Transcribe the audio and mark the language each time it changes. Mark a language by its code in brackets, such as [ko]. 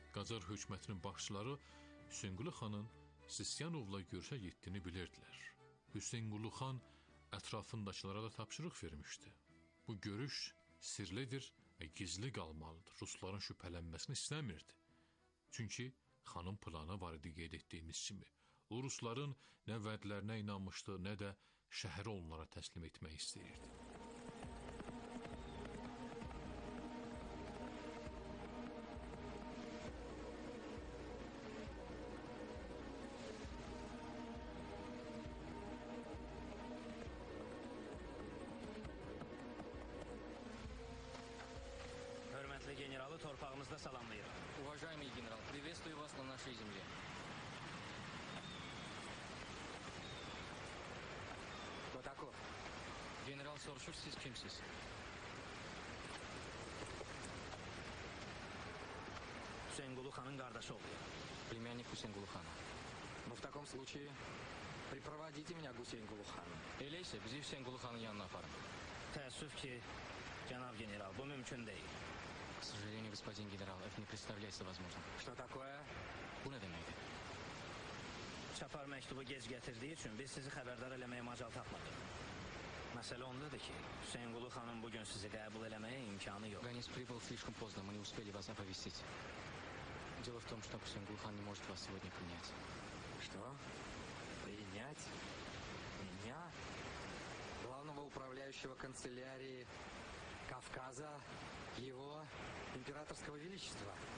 [az] Qacar hökumətinin başçıları Hüseynqulu xanın Sisyanovla görüşə getdiyini bilirdilər. Hüseynqulu xan ətrafındakılara da tapşırıq vermişdi. Bu görüş sirlidir və gizli qalmalıdır. Rusların şübhələnməsini istəmirdi. Çünki xanın planı var idi qeyd etdiyimiz kimi. O rusların nə vədlərinə inanmışdı, nə də şəhəri onlara təslim etmək istəyirdi. Generalı torpağımızda salamlayır. [ru] Уважаемый генерал, приветствую вас на нашей земле. Кто такой? [az] Генерал Соршур, siz kimsiz? Hüseynqulu xanın qardaşı oğluyam. [ru] Племянник Hüseynqulu xana. Но в таком случае припроводите меня к Hüseynqulu xana. [az] Elə isə bizi Hüseynqulu xanın yanına aparın. Təəssüf ki, cənab general, bu mümkün deyil. [ru] К сожалению, господин генерал, это не представляется возможным. Что такое? [az] Bu nə deməkdir? Çapar məktubu gec gətirdiyi üçün biz sizi xəbərdar eləməyə macal tapmadıq. Məsələ ondadır ki, Hüseynqulu xanın bugün sizi qəbul eləməyə imkanı yox. [ru] Ганис прибыл слишком поздно, мы не успели вас оповестить. Дело в том, что Hüseynqulu xan не может вас сегодня принять. Что? Принять? Меня? Главного управляющего канцелярии Кавказа? Его императорского величества.